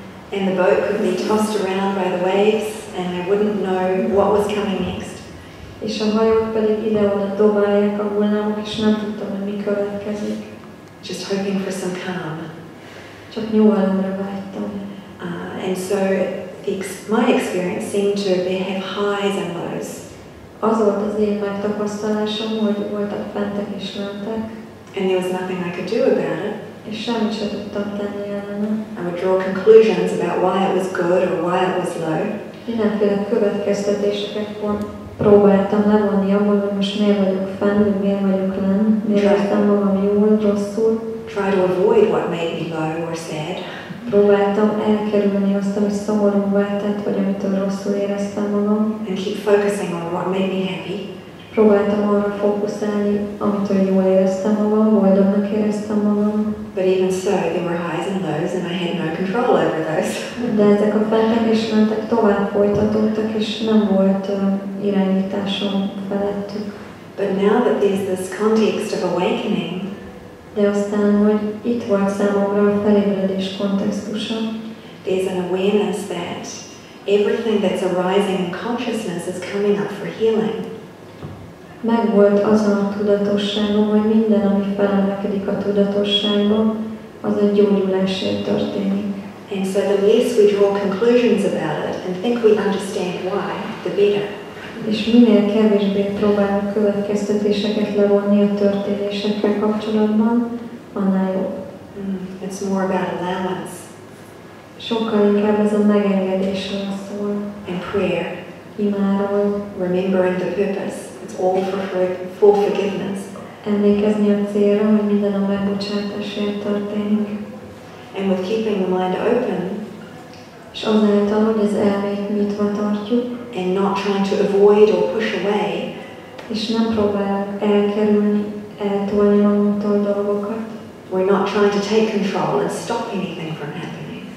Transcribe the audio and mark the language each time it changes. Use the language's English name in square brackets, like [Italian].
[English] And the boat could be tossed around by the waves, and I wouldn't know what was coming next. [Hungarian] És a hajók pedig ide-oda dobálják a hullámok, és nem tudtam, hogy mi következik. [English] Just hoping for some calm. [Hungarian] Csak nyugalomra vágytam. [English] And so my experience seemed to have highs and lows. [Hungarian] Az volt az én megtapasztalásom, hogy voltak fentek és lentek. [English] And there was nothing I could do about it. [Hungarian] És semmit sem tudtam tenni ellene. [English] I would draw conclusions about why it was good or why it was low. [Hungarian] mindenféle következtetéseket próbáltam levonni abból, hogy most miért vagyok fenn, hogy miért vagyok lenn, miért értem magam jól, rosszul. [English] Try to avoid what made me low or sad. [Hungarian] Próbáltam elkerülni azt, ami szomorúvá tett, vagy amitől rosszul éreztem magam. [English] And keep focusing on what made me happy. [Hungarian] Próbáltam arra fókuszálni, amitől jól éreztem magam, boldognak éreztem magam. [English] But even so, there were highs and lows, and I had no control over those. [Hungarian] De ezek a fentek és lentek tovább folytatódtak, és nem volt irányításom felettük. [English] But now that there's this context of awakening, [Hungarian] de aztán, hogy itt volt számomra a felébredés kontextusa, [English] there's an awareness that everything that's arising in consciousness is coming up for healing. [Hungarian] Megvolt azon a tudatosságom, hogy minden, ami felemelkedik a tudatosságom, az a gyógyulásért történik. [English] And so the less we draw conclusions about it and think we understand why, the better. [Hungarian] És minél kevésbé próbálunk következtetéseket levonni a történésekkel kapcsolatban, annál jobb. [English] It's more about allowance. [Hungarian] Sokkal inkább ez a megengedésről szól. [English] And prayer. [Hungarian] Imáról. [English] Remembering the purpose. All for forgiveness. [Hungarian] Emlékezni a célra, hogy minden a megbocsátásért történik. [English] And with keeping the mind open, [Hungarian] és azáltal, hogy az elmét nyitva tartjuk, [English] and not trying to avoid or push away, [Hungarian] és nem próbálunk elkerülni, eltolni magunktól dolgokat, [English] we're not trying to take control and stop anything from happening.